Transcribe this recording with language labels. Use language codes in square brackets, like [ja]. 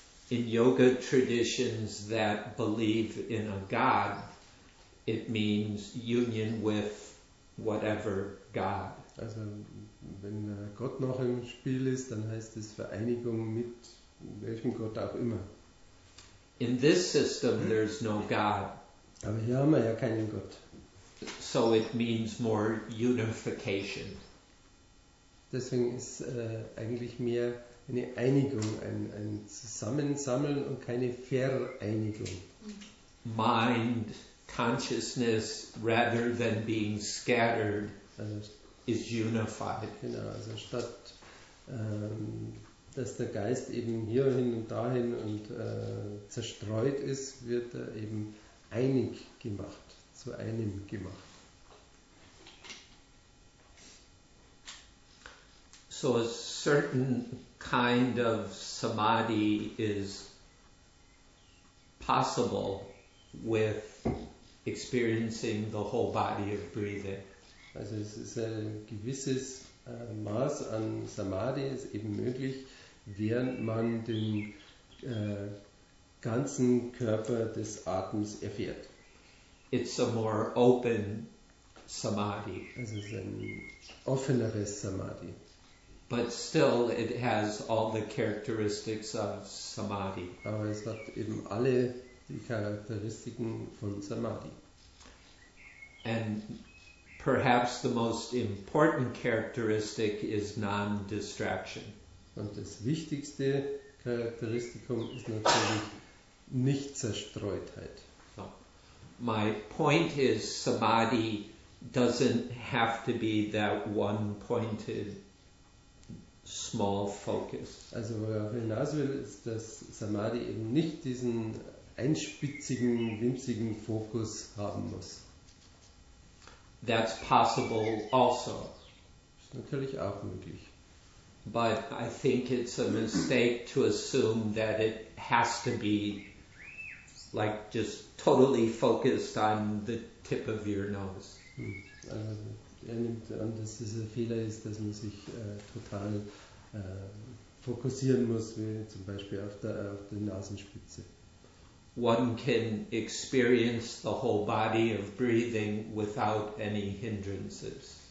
[en] In yoga traditions that believe in a god, it means union with whatever god. [de] Also wenn Gott noch im Spiel ist, dann heißt es Vereinigung mit welchem Gott auch immer. [en] In this system there's no god. [de] Aber hier haben wir ja keinen Gott. [en] So it means more unification. [de] Deswegen ist eigentlich mehr eine Einigung, ein Zusammensammeln und keine Vereinigung. [en] Mind, consciousness, rather than being scattered, is unified. [de] Genau, also statt dass der Geist eben hierhin und dahin und zerstreut ist, wird er eben einig gemacht. Zu einem gemacht. [en] So a certain kind of samadhi is possible with experiencing the whole body of breathing. [de] Also es ist ein gewisses Maß an Samadhi ist eben möglich, während man den ganzen Körper des Atems erfährt. [en] It's a more open samadhi. [de] Es ist ein offeneres Samadhi. [en] But still it has all the characteristics of samadhi. [de] Aber es hat eben alle die Charakteristiken von Samadhi. [en] And perhaps the most important characteristic is non-distraction. [de] Und das wichtigste Charakteristikum ist natürlich Nichtzerstreutheit. [en] My point is, samadhi doesn't have to be that one-pointed, small focus. [de] Also worauf ich hinaus will, ist, dass Samadhi eben nicht diesen einspitzigen, winzigen Fokus haben muss. [en] That's possible also. [de] Ist natürlich auch möglich. [en] But I think it's a mistake to assume that it has to be like just totally focused on the tip of your nose. [de] Er nimmt an, dass es ein Fehler ist, dass man sich total fokussieren muss, wie zum Beispiel auf der Nasenspitze. [en] One can experience the whole body of breathing without any hindrances.